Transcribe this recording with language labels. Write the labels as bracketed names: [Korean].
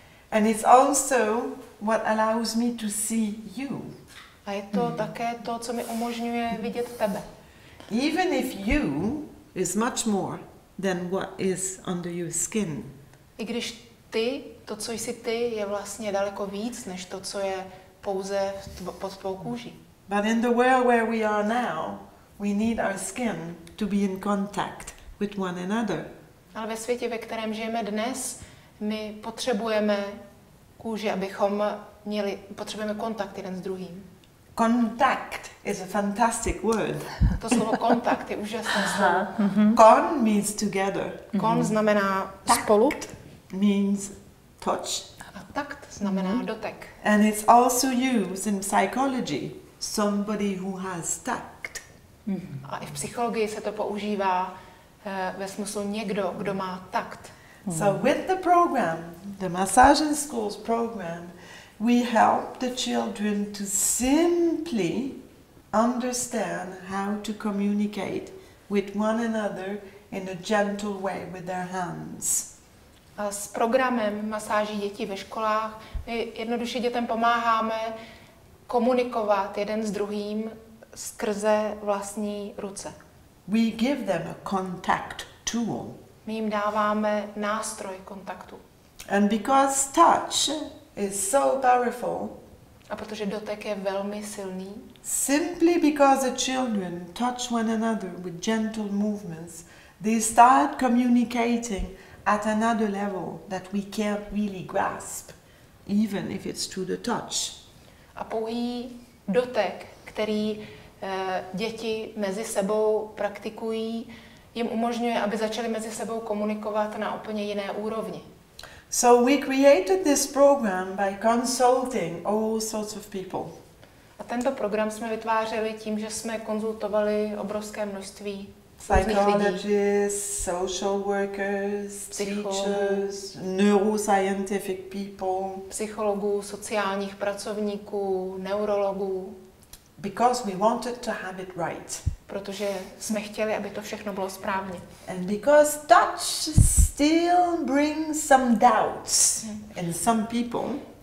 [English] And it's also what allows me to see you. [Czech] A je to také to, co mi umožňuje vidět tebe. [English] Even if you is much more than what is under your skin. [Czech] I když ty, to, co jsi ty, je vlastně daleko víc, než to, co je pouze pod tvou kůží. [English] But in the world where we are now, we need our skin to be in contact with one another. [Czech] Ale ve světě, ve kterém žijeme dnes, my potřebujeme kůži, abychom měli, potřebujeme kontakt jeden s druhým. [English] Contact is a fantastic word. [Czech] To slovo kontakt je úžasné slovo. [English] Con means together. [Czech] Con znamená spolu. [English] Tact means touch. [Czech] A tact znamená dotek. [English] And it's also used in psychology. Somebody who has tact. [Czech] A i v psychologii se to používá ve smyslu někdo, kdo má tact. [English] So with the program, the Massage and Schools program, we help the children to simply understand how to communicate with one another in a gentle way with their hands. [Czech] A s programem masáží dětí ve školách my jednoduše dětem pomáháme komunikovat jeden s druhým skrze vlastní ruce. [English] We give them a contact tool. [Czech] My jim dáváme nástroj kontaktu. [English] And because touch is so powerful. [Czech] A protože dotek je velmi silný. [English] Simply because the children touch one another with gentle movements, they start communicating at another level that we can't really grasp, even if it's through the touch. [Czech] A pouhý dotek, který děti mezi sebou praktikují, jim umožňuje, aby začali mezi sebou komunikovat na úplně jiné úrovni. [English] So we created this program by consulting all sorts of people. [Czech] A tento program jsme vytvářeli tím, že jsme konzultovali obrovské množství [English] psychologists, social workers, teachers, neuroscientific people, [Czech] psychologů, sociálních pracovníků, neurologů. [English] Because we wanted to have it right. [Czech] Protože jsme chtěli, aby to všechno bylo správně. [English] And because touch still brings some doubts in some people.